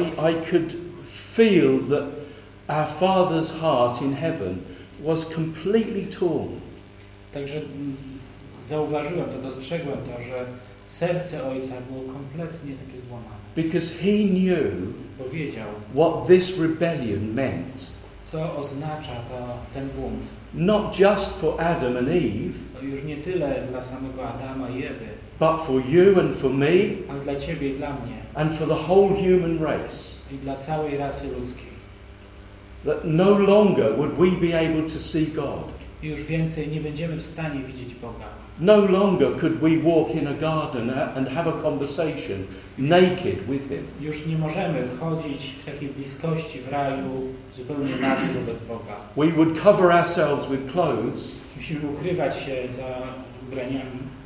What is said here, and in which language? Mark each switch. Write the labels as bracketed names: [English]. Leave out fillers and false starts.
[English] I could feel that our Father's heart in heaven was completely torn. [Polish] Także zauważyłem to, dostrzegłem to, że serce Ojca było kompletnie takie złamane. [English] Because he knew [Polish] powiedział [English] what this rebellion meant. [Polish] Co oznacza to, ten bunt? [English] Not just for Adam and Eve. [Polish] No już nie tyle dla samego Adama i Ewy. [English] But for you and for me. [Polish] Ale dla ciebie i dla mnie. [English] And for the whole human race. [Polish] I dla całej rasy ludzkiej. [English] That no longer would we be able to see God. [Polish] Już więcej nie będziemy w stanie widzieć Boga. [English] No longer could we walk in a garden and have a conversation naked with Him. [Polish] Już nie możemy chodzić w takiej bliskości w raju zupełnie nagi wobec Boga. [English] We would cover ourselves with clothes. [Polish] Musimy ukrywać się za ubraniami.